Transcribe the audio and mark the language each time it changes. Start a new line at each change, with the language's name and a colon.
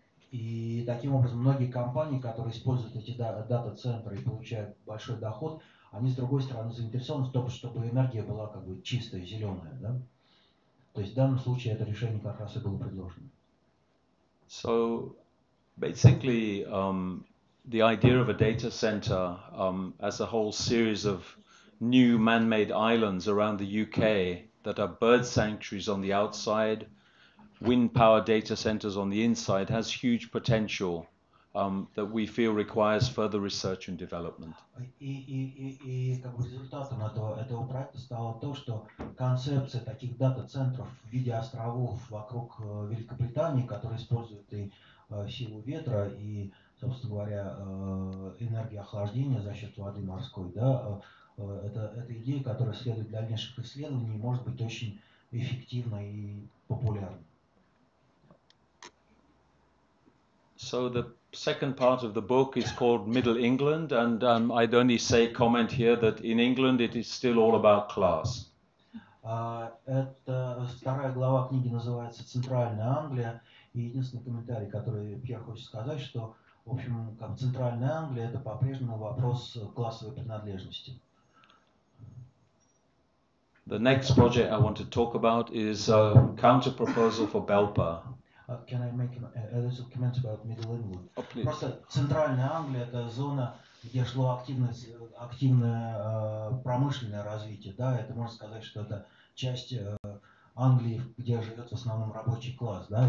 Russian: И таким образом многие компании, которые используют эти дата-центры и получают большой доход, они с другой стороны заинтересованы в том, чтобы энергия была как бы чистая, зеленая. Да? То есть в данном случае это решение как раз и было предложено.
English: So basically, the idea of a data center as a whole series of new man-made islands around the UK that are bird sanctuaries on the outside, wind power data centers on the inside, has huge potential that we feel requires further research and development.
Russian: Результатом этого проекта стало то, что концепция таких дата-центров в виде островов вокруг Великобритании, которые используют и силу ветра, и, собственно говоря, энергию охлаждения за счет воды морской, да, это идея, которая следует для дальнейших исследований, может быть очень эффективна и популярна.
English: So the second part of the book is called Middle England, and I'd only say comment here that in England it is still all about class.
Russian: Это вторая глава книги называется «Центральная Англия», и единственный комментарий, который Пьер хочет сказать, что, в общем, как Центральная Англия, это по-прежнему вопрос классовой принадлежности.
English: The next project I want to talk about is a counter-proposal for Belper. Can I make a little comment about Middle England? Oh, please.
Russian: Просто Центральная Англия — это зона, где шло активное промышленное развитие, да? Это можно сказать, что это часть Англии, где живет в основном рабочий класс, да?